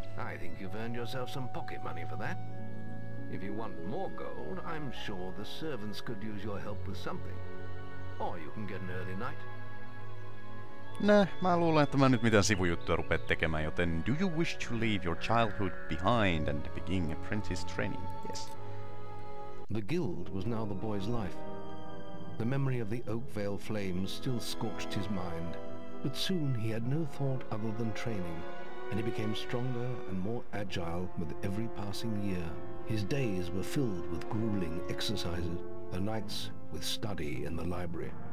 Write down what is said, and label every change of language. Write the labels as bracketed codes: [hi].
[en] I think you've earned yourself some pocket money for that. If you want more gold, I'm sure the servants could use your help with something. Or you can get an early night. [fi] Nah, mä luulen, että mä nyt mitään sivujuttuja rupeat tekemään, joten [en] do you wish to leave your childhood behind and begin apprentice training? Yes. The guild was now the boy's life. The memory of the Oakvale flames still scorched his mind, but soon he had no thought other than training, and he became stronger and more agile with every passing year. His days were filled with grueling exercises, the nights with study in the library.